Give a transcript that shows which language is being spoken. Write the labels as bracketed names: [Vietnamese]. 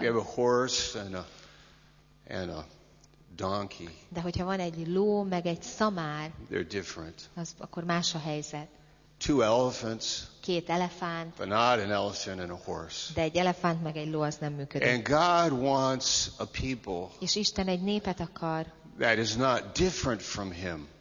[English] We have a horse and a donkey. [Hungarian] De hogyha van egy ló meg egy szamár, [English] they're different. [Hungarian] Az akkor más a helyzet. [English] Two elephants. [Hungarian] Két elefánt. [English] But not an elephant and a horse. [Hungarian] De egy elefánt meg egy ló az nem működik. [English] And God wants a people. [Hungarian] És Isten egy népet akar. [English] That is not different from him.